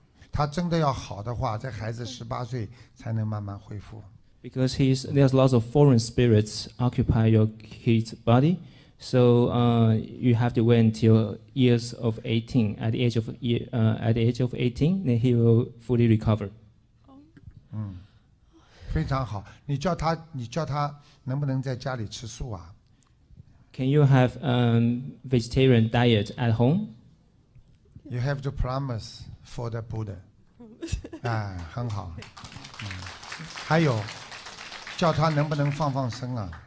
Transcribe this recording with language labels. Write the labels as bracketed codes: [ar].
[zh] 他真的要好的话，这孩子18岁才能慢慢恢复. [en] Because there's lots of foreign spirits occupy your kid's body, so you have to wait until years of 18. At the age of 18, then he will fully recover. [zh] 非常好，你叫他能不能在家里吃素啊 [en] ？Can you have vegetarian diet at home? You have to promise for the Buddha. [zh] 哎，很好。还有，叫他能不能放生啊